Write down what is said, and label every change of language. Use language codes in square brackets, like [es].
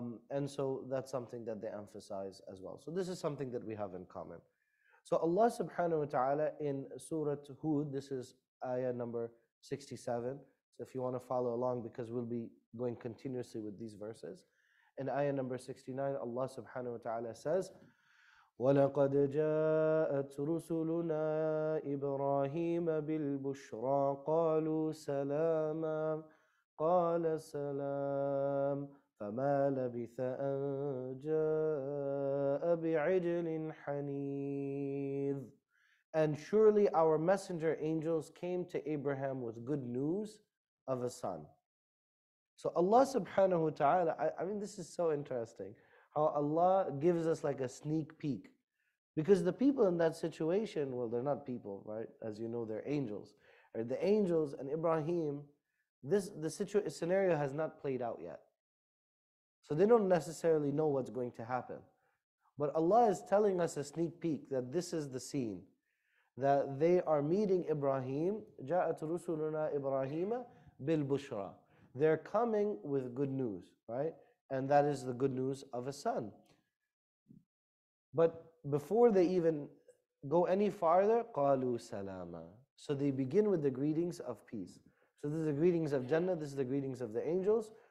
[en] And so that's something that they emphasize as well. So this is something that we have in common. So Allah subhanahu wa ta'ala in Surah Hud, this is ayah number 67. So if you want to follow along, because we'll be going continuously with these verses. In ayah number 69, Allah subhanahu wa ta'ala says, [ar] وَلَقَدْ جَاءَتْ رُسُلُنَا إِبْرَاهِيمَ بِالْبُشْرَى قَالُوا سَلَامًا قَالَ سَلَامٌ فَمَا لَبِثَ أَنْ جَاءَ بِعِجْلٍ حَنِيذٍ. [en] And surely our messenger angels came to Abraham with good news of a son. So Allah subhanahu wa ta'ala, I mean, this is so interesting how Allah gives us like a sneak peek. Because the people in that situation, well, they're not people, right? As you know, they're angels. Right? The angels and Ibrahim, the scenario has not played out yet. So they don't necessarily know what's going to happen. But Allah is telling us a sneak peek that this is the scene. That they are meeting Ibrahim. [ar] جاءت رسلنا إبراهيم بالبشرى. [en] They're coming with good news, right? And that is the good news of a son. But before they even go any farther, [ar] قالوا سلاما. [en] So they begin with the greetings of peace. So this is the greetings of Jannah, this is the greetings of the angels.